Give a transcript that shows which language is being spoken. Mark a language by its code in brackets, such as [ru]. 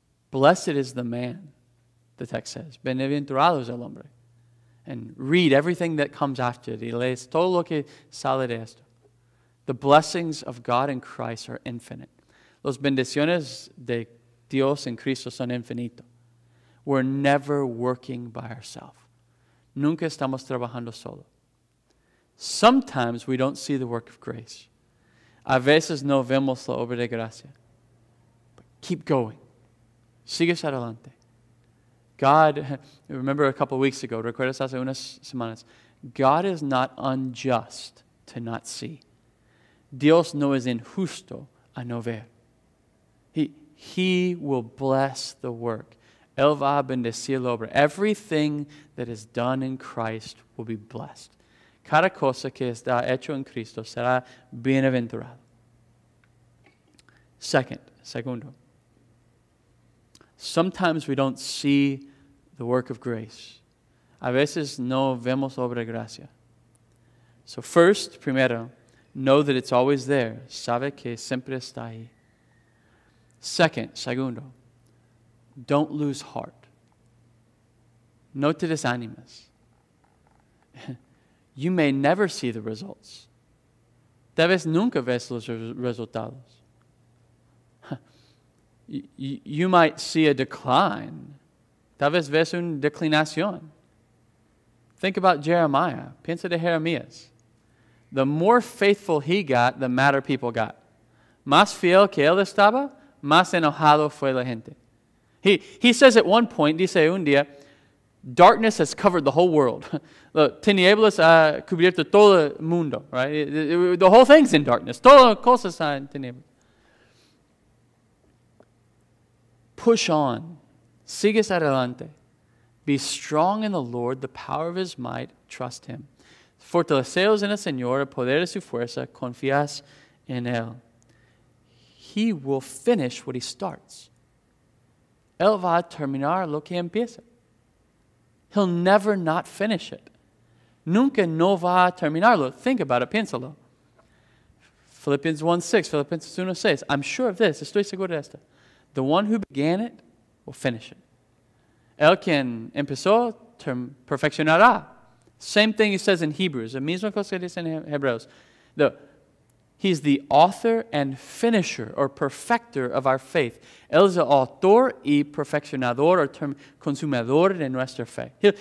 [en] Blessed is the man, the text says. [es] Bienaventurado es el hombre. [en] And read everything that comes after it. [es] Y lees todo lo que sale de esto. [en] The blessings of God in Christ are infinite. [es] Los bendiciones de Dios en Cristo son infinitos. [en] We're never working by ourselves. [es] Nunca estamos trabajando solo. [en] Sometimes we don't see the work of grace. [es] A veces no vemos la obra de gracia. [en] But keep going. [es] Sigues adelante. [en] God, remember a couple weeks ago, [es] recuerdas hace unas semanas, [en] God is not unjust to not see. [es] Dios no es injusto a no ver. [en] He will bless the work. [es] Él va a bendecir la obra. [en] Everything that is done in Christ will be blessed. [es] Cada cosa que está hecho en Cristo será bienaventurado. Segundo. [en] Sometimes we don't see the work of grace. [es] A veces no vemos la obra de gracia. [en] So first, primero, know that it's always there. [es] Sabe que siempre está ahí. Segundo, [en] don't lose heart. [es] No te desanimes. [en] You may never see the results. [es] Tal vez nunca ves los resultados. [en] You might see a decline. [es] Tal vez ves una declinación. [en] Think about Jeremiah. [es] Piensa de Jeremías. [en] The more faithful he got, the madder people got. [es] Más fiel que él estaba, más enojado fue la gente. [en] He says at one point, [es] dice un día, [en] darkness has covered the whole world. [es] Tinieblas ha cubierto todo el mundo, right? [en] The whole thing's in darkness. [es] Todo cosa está en tinieblas. [en] Push on. [es] Sigues adelante. [en] Be strong in the Lord, the power of his might. Trust him. [es] Fortaleceos en el Señor, el poder de su fuerza. Confías en él. [en] He will finish what he starts. [es] Él va a terminar lo que empieza. [en] He'll never not finish it. [es] Nunca no va a terminarlo. [en] Think about it. [es] Piénsalo. Philippians 1:6. [en] I'm sure of this. [es] Estoy seguro de esto. [en] The one who began it will finish it. [es] El quien empezó perfeccionará. [en] Same thing he says in Hebrews. [es] La misma cosa que dice en Hebreos. [en] He's the author and finisher or perfecter of our faith. [es] Él es el autor y perfeccionador o consumador de nuestra fe.